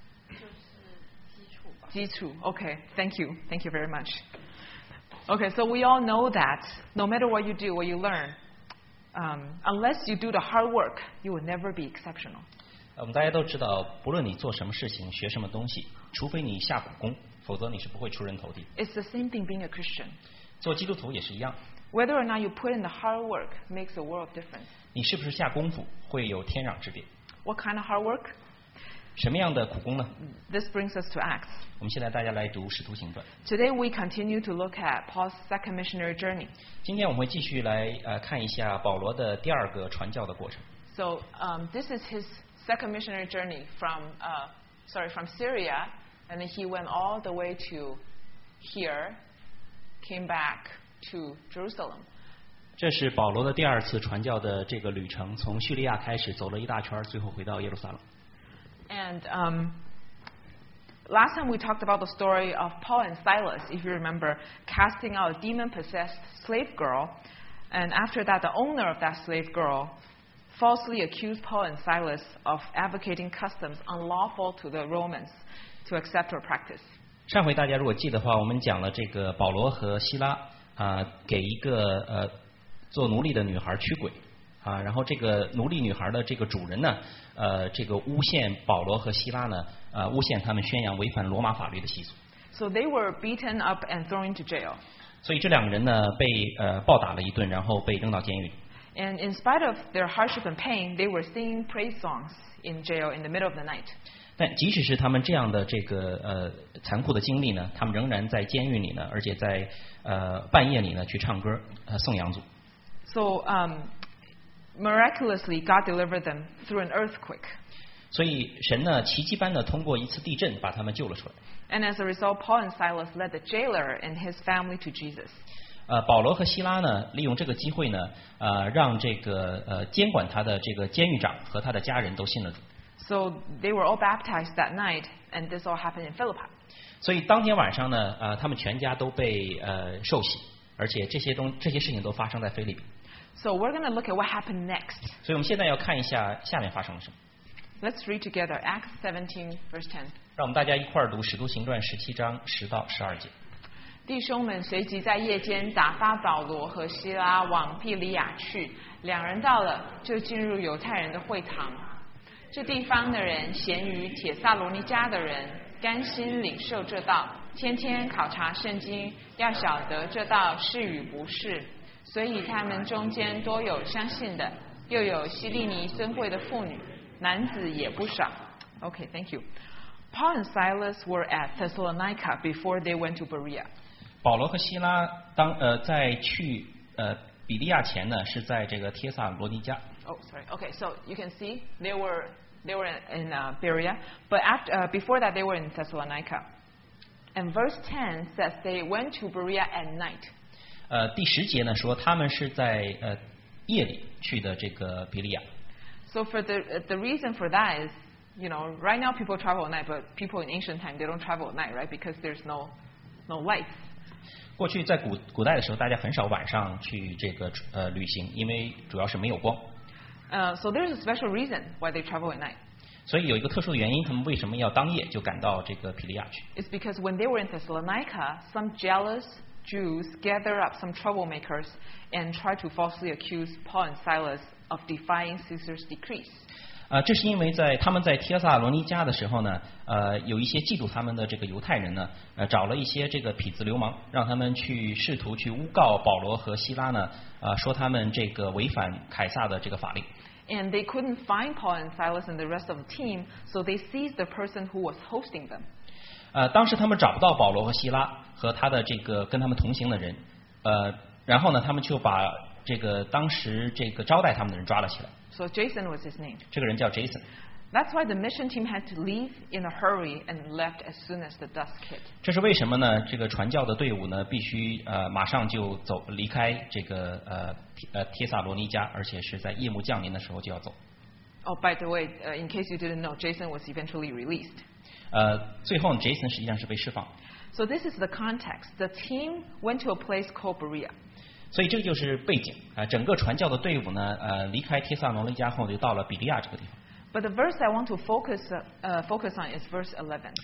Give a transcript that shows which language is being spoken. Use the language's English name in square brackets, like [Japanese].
[Chinese] 就是基础吧。基础。 [English] Okay, thank you. Thank you very much. Okay, so we all know that no matter what you do, what you learn,unless you do the hard work, you will never be exceptional. [Chinese] 我们大家都知道，不论你做什么事情、学什么东西，除非你下苦功，否则你是不会出人头地。 [English] It's the same thing being a Christian. [Chinese] 做基督徒也是一样。 [English] Whether or not you put in the hard work makes a world of difference. [Chinese] 你是不是下功夫，会有天壤之别。 [English] What kind of hard work? [Chinese] 什么样的苦功呢？ [English] This brings us to Acts. [Chinese] 我们现在大家来读《使徒行传》。 [English] Today we continue to look at Paul's second missionary journey. [Chinese] 今天我们会继续来看一下保罗的第二个传教的过程。 [English] So, this is his second missionary journey from Syria, and he went all the way to here, came back to Jerusalem. [Chinese] 这是保罗的第二次传教的这个旅程，从叙利亚开始走了一大圈，最后回到耶路撒冷。 [English] And last time we talked about the story of Paul and Silas, if you remember, casting out a demon-possessed slave girl. And after that, the owner of that slave girl falsely accused Paul and Silas of advocating customs unlawful to the Romans to accept her practice. [Chinese] 上回大家如果记得的话，我们讲了这个保罗和希拉给一个做奴隶的女孩驱鬼。然后这个奴隶女孩的这个主人呢，这个诬陷保罗和希拉呢，诬陷他们宣扬违反罗马法律的习俗。 [English] So they were beaten up and thrown into jail. [Chinese] 所以这两个人呢，被暴打了一顿，然后被扔到监狱里。 [English] And in spite of their hardship and pain, they were singing praise songs in jail in the middle of the night. [Chinese] 但即使是他们这样的这个残酷的经历呢，他们仍然在监狱里呢，而且在半夜里呢去唱歌颂扬主。 [English] So miraculously, God delivered them through an earthquake. [Chinese] 所以神呢，奇迹般的通过一次地震把他们救了出来。 [English] And as a result, Paul and Silas led the jailer and his family to Jesus. [Chinese] 保罗和希拉呢，利用这个机会呢，让这个监管他的这个监狱长和他的家人都信了主。 [English] So they were all baptized that night, and this all happened in Philippi. [Chinese] 所以当天晚上呢，他们全家都被受洗，而且这些事情都发生在腓立比。 [English] So we're going to look at what happened next. [Chinese] 所以我们现在要看一下下面发生了什么。 [English] Let's read together Acts 17 verse 10. [Chinese] 让我们大家一块儿读《使徒行传》17章10到12节。弟兄们随即在夜间打发保罗和希拉往庇利亚去，两人到了就进入犹太人的会堂。这地方的人咸于铁萨罗尼迦的人，甘心领受这道，天天考察圣经，要晓得这道是与不是。所以他们中间多有相信的，又有希利尼尊贵的妇女，男子也不少。 [English] Okay, thank you. Paul and Silas were at Thessalonica before they went to Berea. [Chinese] 保罗和希拉当在去比利亚前呢，是在这个帖撒罗尼迦。 [English] Oh, sorry. Okay, so you can see they were in Berea, but before that they were in Thessalonica. And verse 10 says they went to Berea at night. [Chinese] 第十节呢说他们是在夜里去的这个比利亚。 [English] So for the reason for that is, you know, right now people travel at night, but people in ancient time they don't travel at night, right? Because there's no lights. [Chinese] 过去在古代的时候，大家很少晚上去这个旅行，因为主要是没有光。 [English] So there's a special reason why they travel at night. [Chinese] 所以有一个特殊的原因，他们为什么要当夜就赶到这个比利亚去 [English] ？It's because when they were in Thessalonica, some jealous Jews gather up some troublemakers and try to falsely accuse Paul and Silas of defying Caesar's decrees. [Chinese] 这是因为在他们在帖撒罗尼迦的时候呢，有一些嫉妒他们的这个犹太人呢，找了一些这个痞子流氓，让他们去试图去诬告保罗和希拉呢，说他们这个违反凯撒的这个法令。 [English] And they couldn't find Paul and Silas and the rest of the team, so they seized the person who was hosting them. [Chinese] 当时他们找不到保罗和希拉和他的这个跟他们同行的人，然后呢，他们就把这个当时这个招待他们的人抓了起来。 [English] So Jason was his name. [Chinese] 这个人叫 Jason. [English] That's why the mission team had to leave in a hurry and left as soon as the dusk hit. [Chinese] 这是为什么呢？这个传教的队伍呢，必须马上就走离开这个帖撒罗尼迦，而且是在夜幕降临的时候就要走。 [English] Oh, by the way, in case you didn't know, Jason was eventually released. [Chinese] 最后 Jason 实际上是被释放。 [English] So this is the context. The team went to a place called Berea. [Chinese] 所以这就是背景啊，整个传教的队伍呢，离开帖撒罗尼迦后就到了比利亚这个地方。 [English] But the verse I want to focus on is verse 11.